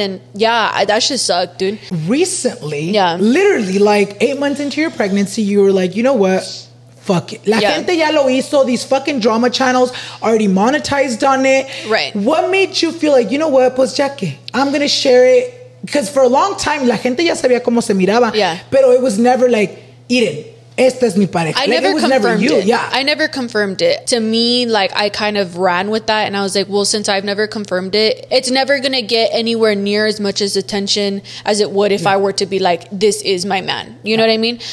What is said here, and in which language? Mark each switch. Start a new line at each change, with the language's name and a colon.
English: And that shit sucked, dude. Recently, literally like 8 months into your pregnancy, you were like, you know what? Fuck it. La gente ya lo hizo. These fucking drama channels already monetized on it. Right. What made you feel like, you know what, pues ya que, I'm going to share it.
Spanish: Because for a long time, la gente ya sabía cómo se miraba.
English: Yeah.
Spanish: Pero it was never like, Eden, esta es mi pareja.
English: I never confirmed it. Yeah. I never confirmed it. To me, like, I kind of ran with that. And I was like, well, since I've never confirmed it, it's never going to get anywhere near as much attention as it would if I were to be like, this is my man. You know what I mean?